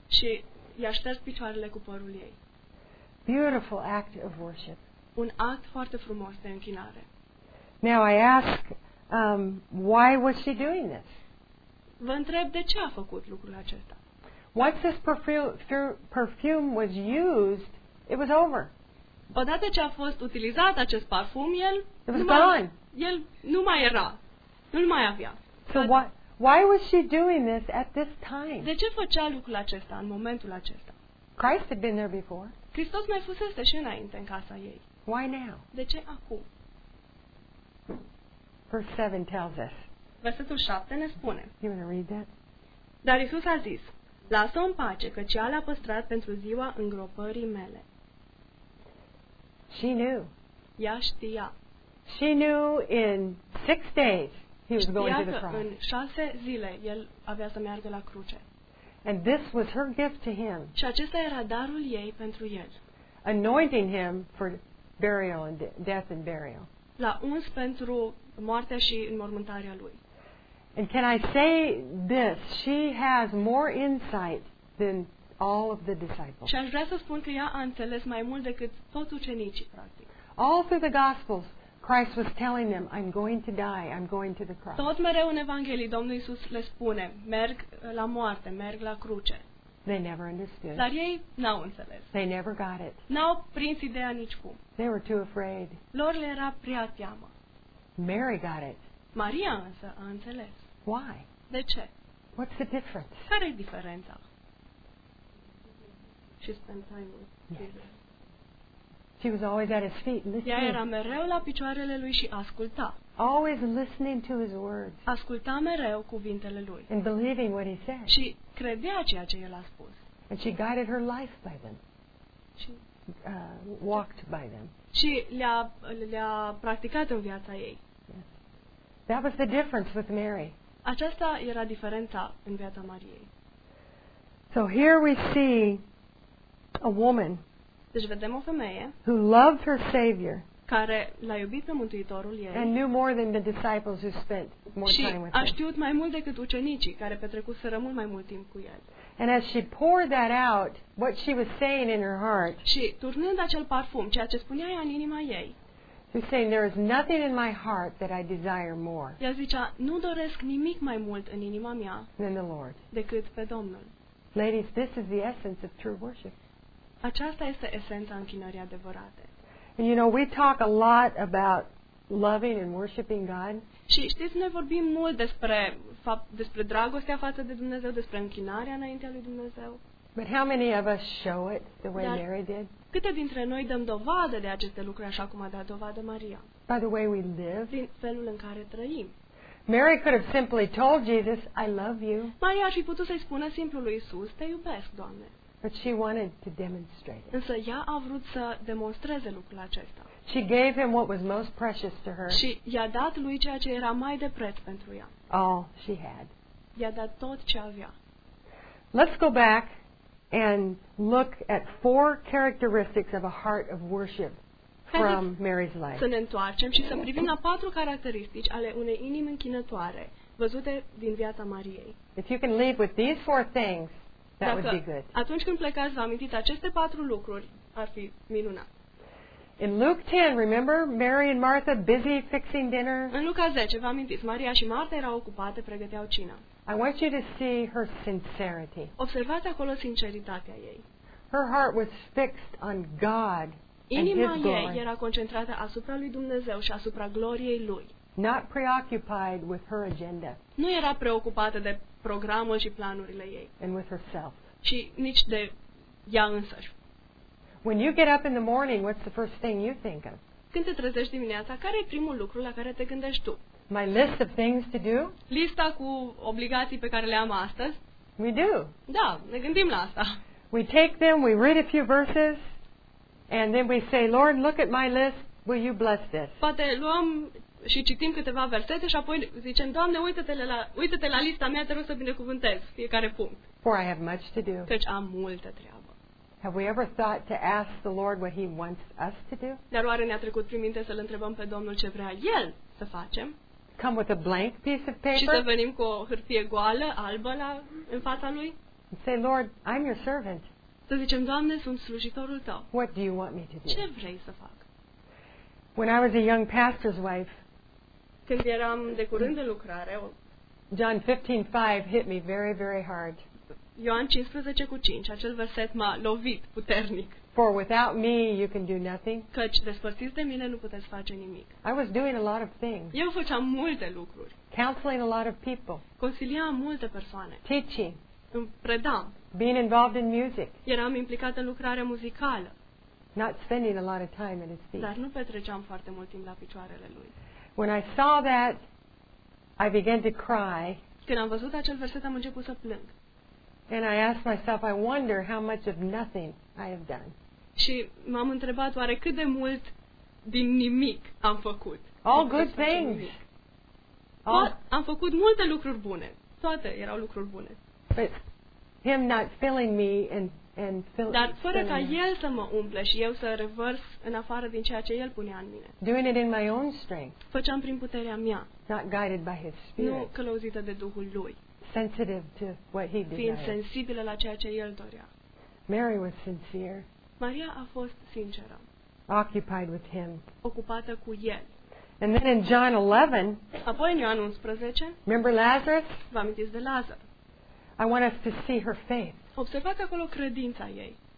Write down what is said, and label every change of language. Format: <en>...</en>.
<ro>Și i-a șters picioarele cu părul ei.</ro> <en>Beautiful act of worship.</en> <ro>Un act foarte frumos de închinare.</ro> <en>Now I ask, why was she doing this?</en> <ro>Vă întreb de ce a făcut lucrul acesta.</ro> <en>Once this perfume was used, it was over.</en> <ro>Odată ce a fost utilizat acest parfum, el</ro> <en>it was gone.</en> <ro>El nu mai era. Nu-l mai avea.</ro> <en>So why was she doing this at this time?</en> <ro>De ce făcea lucrul acesta în momentul acesta?</ro> <en>Christ had been there before.</en> <ro>Hristos mai fusese și înainte în casa ei.</ro> <en>Why now?</en> <ro>De ce acum?</ro> <en>Verse 7 tells us.</en> <ro>Versetul 7 ne spune.</ro> <en>You want to read that?</en> <ro>Dar Iisus a zis, lasă-o în pace, căci ea l-a păstrat pentru ziua îngropării mele.</ro> <en>She knew.</en> <ro>Ea știa.</ro> <en>She knew in 6 days he was going to the cross.</en> <ro>În 6 zile el avea să meargă la cruce.</ro> <en>And this was her gift to him.</en> <ro>Și acesta era darul ei pentru el.</ro> <en>Anointing him for burial and death and burial.</en> <ro>L-a uns pentru moartea și înmormântarea lui.</ro> <en>And can I say this? She has more insight than all of the disciples.</en> <ro>Și aș vrea să spun că ea a înțeles mai mult decât toți ucenicii, practic.</ro> <en>All through the Gospels, Christ was telling them, I'm going to die, I'm going to the cross.</en> <ro>Tot mereu în Evanghelie, Domnul Iisus le spune, merg la moarte, merg la cruce.</ro> <en>They never understood.</en> <ro>Dar ei n-au înțeles.</ro> <en>They never got it.</en> <ro>N-au prins ideea nicicum.</ro> <en>They were too afraid.</en> <ro>Lor le era prea teamă.</ro> <en>Mary got it.</en> <ro>Maria însă a înțeles.</ro> <en>Why?</en> <ro>De ce?</ro> <en>What's the difference?</en> <ro>Care e diferența?</ro> <en>She spent time with Jesus. She was always at his feet listening.</en> <ro>Ea era mereu la picioarele lui și asculta.</ro> <en>Always listening to his words.</en> <ro>Asculta mereu cuvintele lui.</ro> <en>And believing what he said.</en> <ro>Și credea ceea ce el a spus.</ro> <en>And she guided her life by them.</en> <ro>Și</ro> <en>walked by them.</en> <ro>Și le-a practicat în viața ei.</ro> <en>That was the difference with Mary.</en> <ro>Aceasta era diferența în viața Mariei.</ro> <en>So here we see a woman.</en> <ro>Deci vedem o femeie</ro> <en>who loved her Savior.</en> <ro>Care l-a iubit pe Mântuitorul ei.</ro> <en>And knew more than the disciples who spent more time with him.</en> <ro>Și a știut mai mult decât ucenicii care petrecuseră mult mai mult timp cu el.</ro> <en>And as she poured that out, what she was saying in her heart.</en> <ro>Și turnând acel parfum, ceea ce spunea ea în inima ei.</ro> <en>He's saying there is nothing in my heart that I desire more.</en> <ro>Ea zicea, nu doresc nimic mai mult în inima mea</ro> <en>than the Lord.</en> <ro>Decât pe Domnul.</ro> <en>Ladies, this is the essence of true worship.</en> <ro>Aceasta este esența închinării adevărate.</ro> <en>And you know, we talk a lot about loving and worshiping God.</en> <ro>Și știți, noi vorbim mult despre dragostea față de Dumnezeu, despre închinarea înaintea lui Dumnezeu.</ro> <en>But how many of us show it the way Mary did?</en> <ro>Câte dintre noi dăm dovadă de aceste lucruri așa cum a dat dovadă Maria?</ro> <en>By the way we live.</en> <ro>Prin felul în care trăim.</ro> <en>Mary could have simply told Jesus, I love you.</en> <ro>Maria ar fi putut să-i spună simplu lui Isus, te iubesc, Doamne.</ro> <en>But she wanted to demonstrate it.</en> <ro>Însă ea a vrut să demonstreze lucrul acesta.</ro> <en>She gave him what was most precious to her.</en> <ro>Și i-a dat lui ceea ce era mai de preț pentru ea.</ro> <en>All she had.</en> <ro>I-a dat tot ce avea.</ro> <en>Let's go back and look at 4 characteristics of a heart of worship from Mary's life.</en> <ro>Să ne întoarcem și să privim la patru caracteristici ale unei inimi închinătoare văzute din viața Mariei.</ro> <en>If you can leave with these four things, that</en> <ro>Dacă</ro> <en>would be good.</en> <ro>Atunci când plecați, vă amintiți aceste patru lucruri, ar fi minunat.</ro> <en>In Luke 10, remember Mary and Martha busy fixing dinner?</en> <ro>În Luca 10, vă amintiți, Maria și Marta erau ocupate, pregăteau cina.</ro> <en>I want you to see her sincerity.</en> <ro>Observați acolo sinceritatea ei.</ro> <en>Her heart was fixed on God and His glory.</en> <ro>Inima ei era concentrată asupra lui Dumnezeu și asupra gloriei lui.</ro> <en>Not preoccupied with her agenda.</en> <ro>Nu era preocupată de programul și planurile ei.</ro> <en>And with herself.</en> <ro>Și nici de ea însăși.</ro> <en>When you get up in the morning, what's the first thing you think of?</en> <ro>Când te trezești dimineața, care e primul lucru la care te gândești tu?</ro> <en>My list of things to do?</en> <ro>Lista cu obligații pe care le am astăzi?</ro> <en>We do.</en> <ro>Da, ne gândim la asta.</ro> <en>We take them, we read a few verses, and then we say, Lord, look at my list, will you bless this?</en> <ro>Poate luăm și citim câteva versete și apoi zicem, Doamne, uită-te la lista mea, te rog să binecuvântez fiecare punct.</ro> <en>For I have much to do.</en> <ro>Căci am multă treabă.</ro> <en>Have we ever thought to ask the Lord what He wants us to do?</en> <ro>Dar oare ne-a trecut prin minte să-L întrebăm pe Domnul ce vrea El să facem?</ro> <en>Come with a blank piece of paper?</en> <ro>Și să venim cu o hârtie goală, albă, în fața Lui?</ro> <en>Say, Lord, I'm your servant.</en> <ro>Să zicem, Doamne, sunt slujitorul Tău.</ro> <en>What do you want me to do?</en> <ro>Ce vrei să fac?</ro> <en>When I was a young pastor's wife,</en> <ro>când eram de curând în lucrare,</ro> <en>John 15:5 hit me very, very hard.</en> <ro>Ioan 15:5, acel verset m-a lovit puternic.</ro> <en>For without me you can do nothing.</en> <ro>Căci despărțiți de mine nu puteți face nimic.</ro> <en>I was doing a lot of things.</en> <ro>Eu făceam multe lucruri.</ro> <en>Counseling a lot of people.</en> <ro>Consiliam multe persoane.</ro> <en>Teaching.</en> <ro>Predam.</ro> <en>Being involved in music.</en> <ro>Eram implicat în lucrarea muzicală.</ro> <en>Not spending a lot of time at His feet.</en> <ro>Dar nu petreceam foarte mult timp la picioarele Lui.</ro> <en>When I saw that, I began to cry.</en> <ro>Când am văzut acel verset am început să plâng.</ro> <en>And I asked myself, I wonder how much of nothing I have done.</en> <ro>Și m-am întrebat oare cât de mult din nimic am făcut.</ro> <en>All good things.</en> <ro>Am făcut multe lucruri bune. Toate erau lucruri bune.</ro> <en>But Him not filling me and filling.</en> <ro>Dar fără ca El să mă umple și eu să revărs în afară din ceea ce El punea în mine.</ro> <en>Doing it in my own strength.</en> <ro>Făceam prin puterea mea.</ro> <en>Not guided by His Spirit.</en> <ro>Nu călăuzită de Duhul Lui.</ro> <en>Sensitive to what He desired.</en> <ro>Fiind sensibilă la ceea ce El dorea.</ro> <en>Mary was sincere.</en> <ro>Maria a fost sinceră.</ro> <en>Occupied with Him.</en> <ro>Ocupată cu El.</ro> <en>And then in John 11.</en> <ro>Apoi în Ioan 11.</ro> <en>Remember Lazarus?</en> <ro>Vă amintiți de Lazar?</ro> <en>I want us to see her faith.</en> <ro>Observați acolo credința ei.</ro>